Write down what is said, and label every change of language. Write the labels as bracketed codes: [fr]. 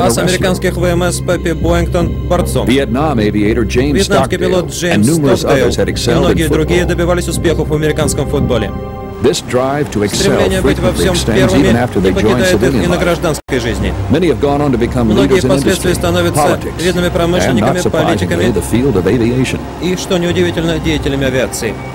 [ru] ас американских ВМС Пеппи Боингтон, борцом. [en] Vietnam aviator James Stockdale, and numerous others had excelled in football. [ru] Многие другие добивались успехов в американском футболе. [en] This drive to excel frequently extends even after they join civilian life. Many have gone on to become leaders in industry, politics, and not surprisingly, the field of aviation. [ru] И что неудивительно, деятелями авиации.